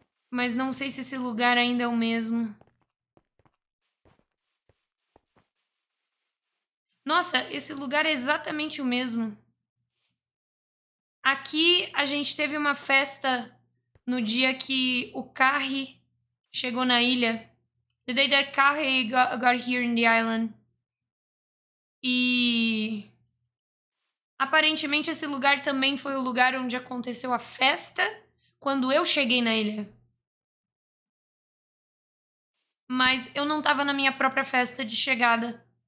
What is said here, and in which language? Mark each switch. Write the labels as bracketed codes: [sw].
[pt] Mas não sei se esse lugar ainda é o mesmo. Nossa, esse lugar é exatamente o mesmo. Aqui a gente teve uma festa no dia que o Carrie chegou na ilha. [en] The day that Carrie got here in the island. [pt] E... aparentemente, esse lugar também foi o lugar onde aconteceu a festa quando eu cheguei na ilha. Mas eu não tava na minha própria festa de chegada.